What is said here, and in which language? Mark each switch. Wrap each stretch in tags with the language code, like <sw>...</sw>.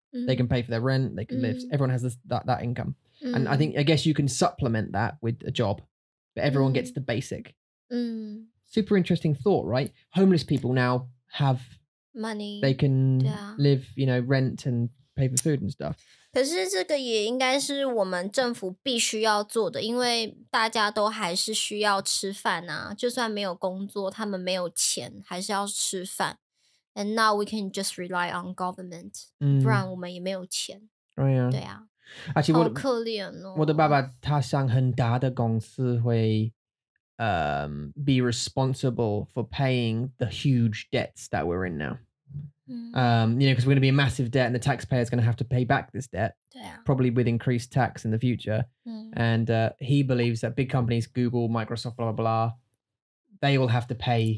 <en>They can pay for their rent, they can live. Everyone has that income. And I think, I guess you can supplement that with a job. But everyone gets the basic. Super interesting thought, right? Homeless people now have money. They can live, you know, rent and pay for food and stuff.</en> <zh>可是这个也应该是我们政府必须要做的因为大家都还是需要吃饭啊。就算没有工作他们没有钱还是要吃饭。</zh> <en>And now we can just rely on government.</en> <zh>不然我们也没有钱。对啊。对啊。</zh> <en>Actually,</en> <zh>好可怜哦我的爸爸他上很大的公司会</zh> <en>be responsible for paying the huge debts that we're in now you know because we're going to be a massive debt and the taxpayer is going to have to pay back this debt probably with increased tax in the future and he believes that big companies Google, Microsoft, blah blah blah they will have to pay</en>